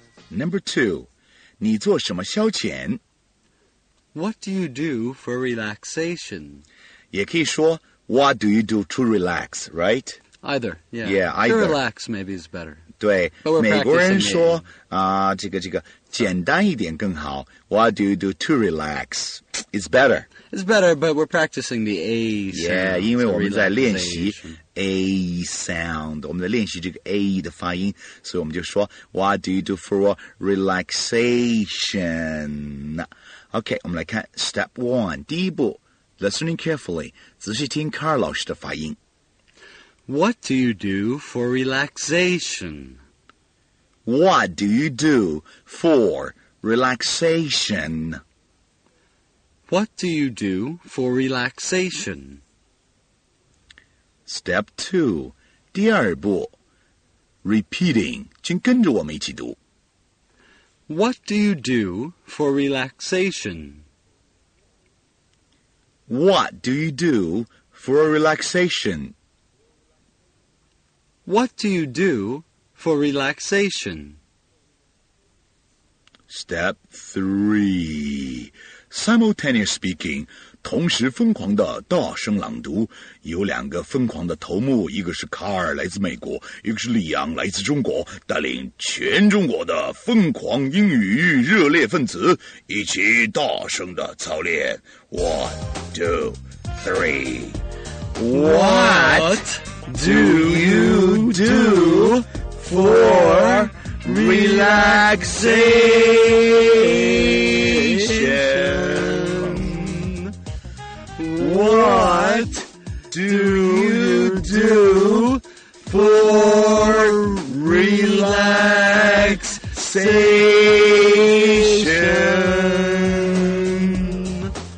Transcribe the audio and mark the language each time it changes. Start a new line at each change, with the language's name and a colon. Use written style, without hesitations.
English: Number two,
Chinese: 你做什么消遣?
English: What do you do for relaxation?
Chinese: 也可以说,
English: what do you do to relax, right? Either, yeah. Yeah, either. To relax maybe is better.
Chinese: 对, 美国人说, 简单一点更好,
English: what do you do to relax? It's better. It's better, but we're practicing the A sound.
Chinese: Yeah, 因为我们在练习 A sound. 我们在练习这个 A 的发音。所以我们就说
English: What do you do for relaxation? Okay,
Chinese: 我们来看
English: Step 1.
Chinese: 第一步
English: Listening carefully.
Chinese: 仔细听 Carl 老师的发音。
English: What do you do for relaxation? What do you do for relaxation? What do you do for relaxation? Step 2,
Chinese: 第二步
English: Repeating,
Chinese: 请跟着我们一起读
English: What do you do for relaxation? What do you do for relaxation? What do you do for relaxation? Step 3 Simultaneous speaking,
Chinese: 同时疯狂的大声朗读，有两个疯狂的头目，一个是卡尔来自美国，一个是李昂来自中国，带领全中国的疯狂英语域热烈分子一起大声的操练。
English: 1, 2, 3 What do you do for relaxation? What do you do for relaxation?